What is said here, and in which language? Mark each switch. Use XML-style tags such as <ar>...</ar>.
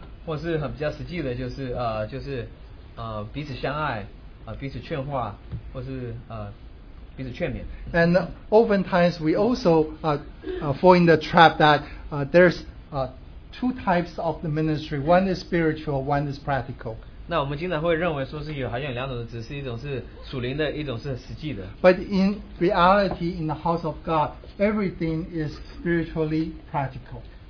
<zh>或是很比较实际的就是彼此相爱,彼此劝化,或是彼此劝勉。</zh> <en>And oftentimes we also fall in the trap that there's two types of the ministry. One is spiritual, one is practical.</en> <zh>那我们经常会认为说是有好像两种的，只是一种是属灵的，一种是实际的。</zh> <en>But in reality, in the house of God, everything is spiritually practical.</en>